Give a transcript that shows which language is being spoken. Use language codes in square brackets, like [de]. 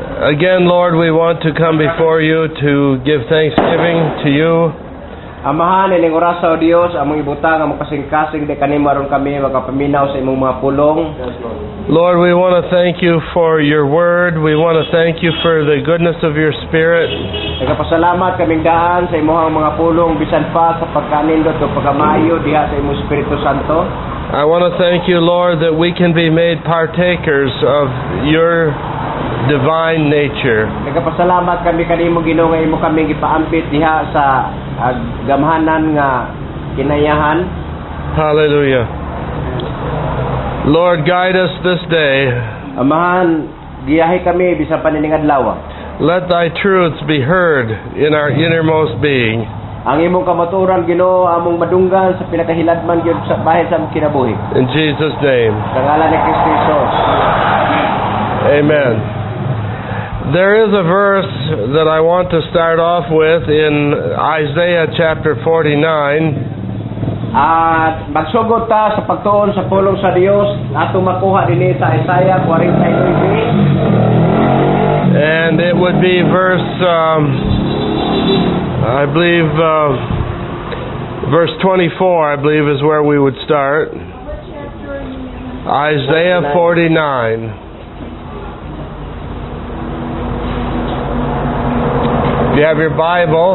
[en] Again, Lord, we want to come before you to give thanksgiving to you. [ceb] Amahan, ining oras sa Diyos, among ibutang, among kasing-kasing, di kanimo aron kami magpaminaw sa imong mga pulong. [en] Lord, we want to thank you for your word. We want to thank you for the goodness of your spirit. [ceb] Nagapasalamat kaming daan sa imong mga pulong, bisan pa sa pagkanindot o pagkamayo diha sa imong Espiritu Santo. [en] I want to thank you, Lord, that we can be made partakers of your divine nature. [ceb] Nagapasalamat kami kanimo Ginoo nga imo kami gipaampit diha sa gamhanan nga kinayahan. [en] Hallelujah. Lord, guide us this day. [ceb] Amahan, giyahi kami bisan pa nining adlaw. [en] Let thy truths be heard in our innermost being. [ceb] Ang imong kamaturan Ginoo among madunggal sa pinakahiladman gyud sa bahin sa kinabuhi. [en] In Jesus' name. [ceb] Sa ngalan ni Kristo Jesus. [en] Amen. There is a verse that I want to start off with in Isaiah chapter 49. [ceb] At magsugod ta sa pagtuon sa pulong sa Dios ato makuha dinhi sa Isaiah 49. [en] And it would be verse verse 24, I believe, is where we would start. Isaiah 49. If you have your Bible.